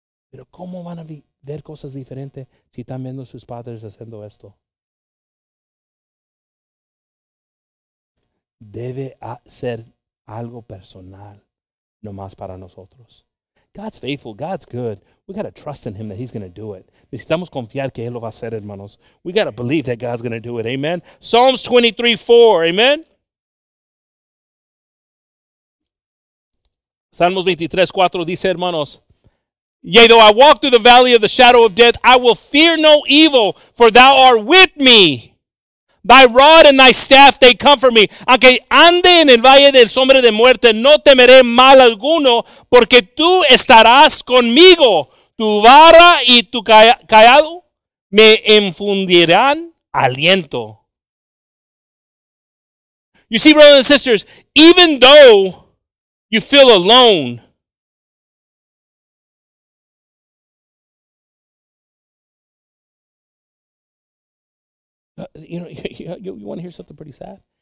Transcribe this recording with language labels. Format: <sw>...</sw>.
<es>Pero ¿cómo van a ver cosas diferentes si están viendo a sus padres haciendo esto? Debe ser algo personal, nomás para nosotros.</es> <en>God's faithful. God's good. We got to trust in him that he's going to do it.</en> <es>Necesitamos confiar que él lo va a hacer, hermanos.</es> <en>We got to believe that God's going to do it. Amen. Psalms 23:4. Amen.</en> <es>Salmos 23:4 dice, hermanos,</es> <en>yea, though I walk through the valley of the shadow of death, I will fear no evil, for thou art with me. Thy rod and thy staff, they comfort me.</en> <es>Aunque ande en el valle del sombrero de muerte, no temeré mal alguno, porque tú estarás conmigo. Tu vara y tu callado me infundirán aliento.</es> <en>You see, brothers and sisters, even though you feel alone, you want to hear something pretty sad?</en>